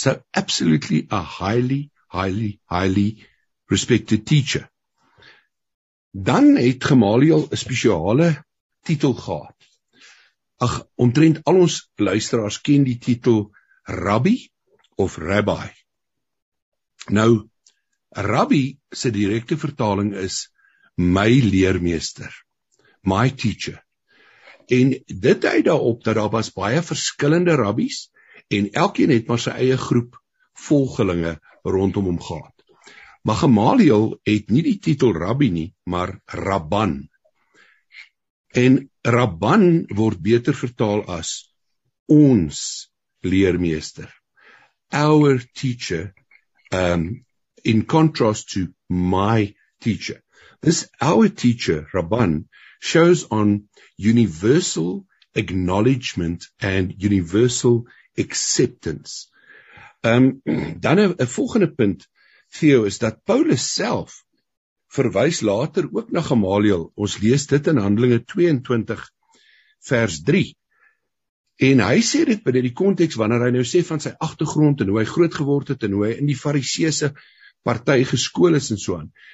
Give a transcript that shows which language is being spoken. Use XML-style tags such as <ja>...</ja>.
<en>So absolutely a highly, highly, highly respected teacher.</en> <af>Dan het Gamaliel 'n spesiale titel gehad. Ag, omtrent al ons luisteraars ken die titel Rabbi of Rabbi. Nou, Rabbi se direkte vertaling is my leermeester, my teacher. En dit dui daarop dat daar was baie verskillende rabbies en elkeen het maar sy eie groep volgelinge rondom hom gehad. Maar Gamaliel het nie die titel rabbi nie, maar rabban. En rabban word beter vertaal as ons leermeester.</af> <en>Our teacher, in contrast to my teacher. This our teacher, Rabban, shows on universal acknowledgement and universal acceptance.</en> <af>Dan 'n volgende punt, Theo, is dat Paulus self verwys later ook na Gamaliel. Ons lees dit in Handelinge 22 vers 3. En hy sê dit binne die konteks wanneer hy nou sê van sy agtergrond en hoe hy groot geword het en hoe hy in die Fariseëse party geskool is en so aan.</af>